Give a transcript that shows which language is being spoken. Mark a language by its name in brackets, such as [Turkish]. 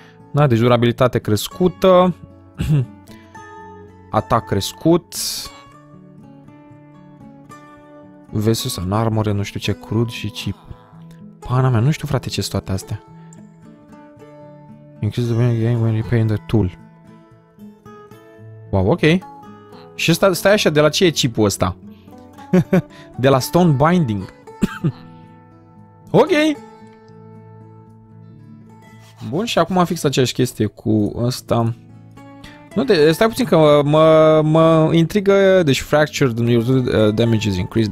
[Romanian] Da, deci durabilitate crescută, atac crescut, versus în armore, nu știu ce, crud și chip. Pana mea, nu știu frate ce sunt toate astea. [English] Increase the game when repairing the tool. Wow, ok. [Romanian] Și stai așa, de la ce e chipul ăsta? De la stone binding. Ok. Bun, și acum fix aceeași chestie cu ăsta. Nu, stai puțin că mă intrigă. Deci [English] fractured damage is increased.